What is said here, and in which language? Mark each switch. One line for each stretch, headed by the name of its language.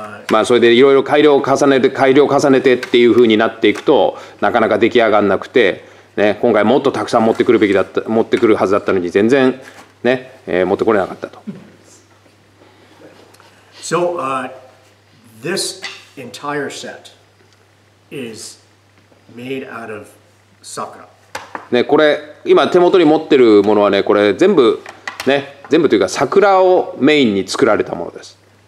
Japanese: まあ、それでいろいろ改良を重ねてっていうふうになっていくと、なかなか出来上がらなくて。ね、今回もっとたくさん持ってくるべきだった、持ってくるはずだったのに全然、ね、持ってこれなかったと。
English: So, this entire set is made out of sakura.
Japanese: ね、これ今手元に持ってるものはね、これ全部、ね、全部というか桜をメインに作られたものです。